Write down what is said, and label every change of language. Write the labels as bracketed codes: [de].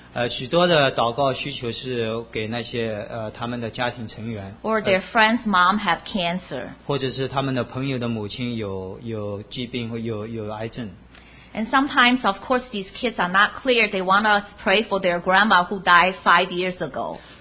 [zh] 许多的祷告需求是给那些他们的家庭成员。 [en] Or their friend's mom have cancer. [zh] 或者是他们的朋友的母亲有疾病或有癌症。 [en] And sometimes, of course, these kids are not clear. They want to pray for their grandma who died 5 years ago.